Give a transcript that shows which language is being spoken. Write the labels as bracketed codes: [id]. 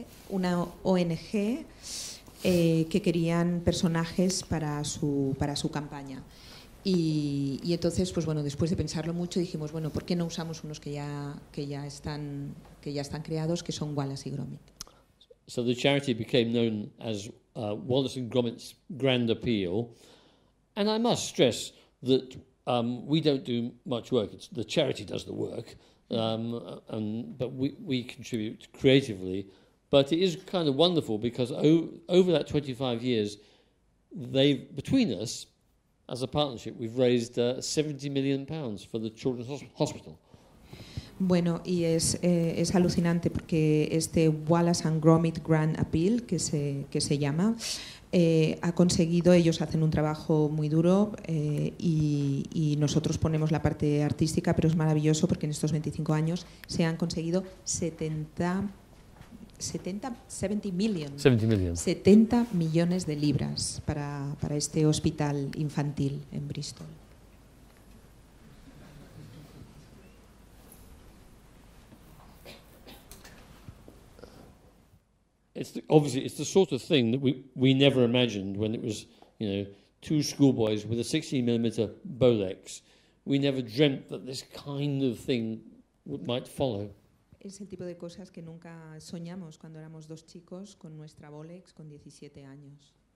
[es] Una ONG que querían personajes para su campaña. Y entonces, pues bueno, después de pensarlo mucho, dijimos, bueno, ¿por qué no usamos unos que ya están creados, que son Wallace y Gromit? [en] So the charity became known as Wallace and Gromit's Grand Appeal. And I must stress that we don't do much work. The charity does the work, but we contribute creatively. But it is kind of wonderful because over that 25 years, between us, as a partnership, we've raised £70 million for the Children's Hospital. [es] Bueno, y es alucinante porque este Wallace and Gromit Grand Appeal, que se llama, ha conseguido, ellos hacen un trabajo muy duro y nosotros ponemos la parte artística, pero es maravilloso porque en estos 25 años se han conseguido 70 millones de libras para este hospital infantil en Bristol. [en] It's the sort of thing that we never imagined when it was, you know, two schoolboys with a 16mm Bolex. We never dreamt that this kind of thing might follow. [es] Es el tipo de cosas que nunca soñamos cuando éramos dos chicos con nuestra Bolex con 17 años.